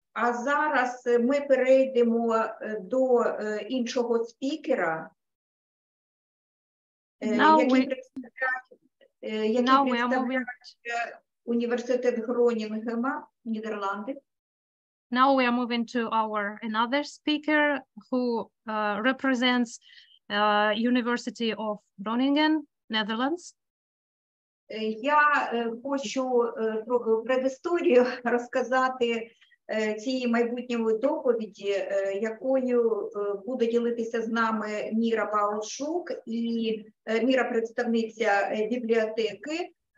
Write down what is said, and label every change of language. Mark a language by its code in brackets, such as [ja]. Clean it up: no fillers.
[uk] А зараз ми перейдемо до іншого спікера, який представляє університет Гронінгена, Нідерланди. [en] Now we are moving to our another speaker who represents University of Groningen, Netherlands. [uk] Я хочу предісторію розказати цієї майбутньої доповіді, якою буде ділитися з нами Міра Багушук і Міра представниця бібліотеки.